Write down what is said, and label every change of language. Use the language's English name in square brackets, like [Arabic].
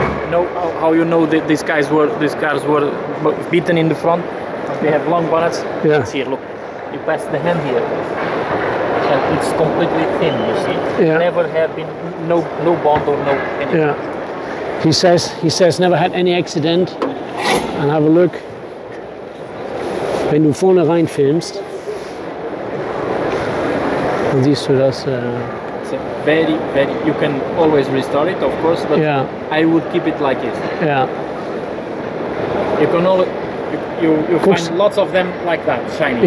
[English] No, how you know that these guys were, these cars were beaten in the front? They have long bonnets. Yeah. It's here, look. You pass the hand here, and it's completely thin. You see. Yeah. Never have been no bond or no anything. Yeah. He says never had any accident. And have a look, [German] wenn du vorne rein filmst, dann siehst du das. [English] Very, very, you can always restore it, of course, but yeah. I would keep it like it. Yeah. You can all, you find lots of them like that, shiny.